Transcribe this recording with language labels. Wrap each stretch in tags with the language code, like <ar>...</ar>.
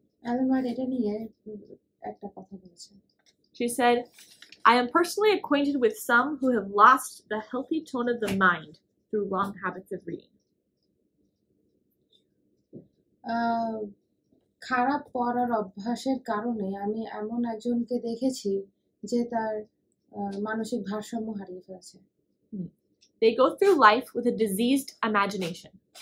<bn>এলেন হোয়াইট এটা নিয়ে একটা কথা বলেছেন</bn> <en>She said, I am personally acquainted with some who have lost the healthy tone of the mind through wrong habits of reading.</en> <bn>খারাপ পড়ার অভ্যাসের কারণে আমি এমন একজনকে দেখেছি যে তার মানসিক ভারসাম্য হারিয়ে ফেলেছে</bn> <en>They go through life with a diseased imagination.</en>